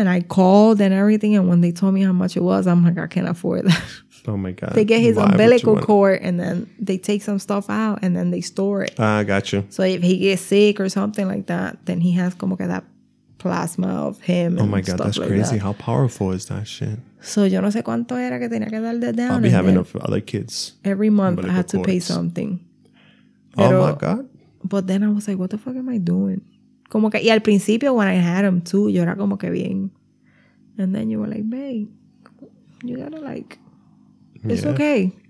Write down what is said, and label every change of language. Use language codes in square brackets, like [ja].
[en] And I called and everything. And when they told me how much it was, I'm like, I can't afford that. Oh my God. They get his umbilical cord and then they take some stuff out and then they store it. I got you. So if he gets sick or something like that, then he has [es] como que [en] that plasma of him. Oh my God, that's crazy. How powerful is that shit? [es] So yo no sé cuánto era que tenía que dar de down. [en] I'll be having it for other kids. Every month I had to pay something. Oh my God. But then I was like, what the fuck am I doing? [es] Como que, y al principio [en] when I had him too, [es] yo era como que bien. [en] And then you were like, babe, you gotta like... It's yeah. Okay.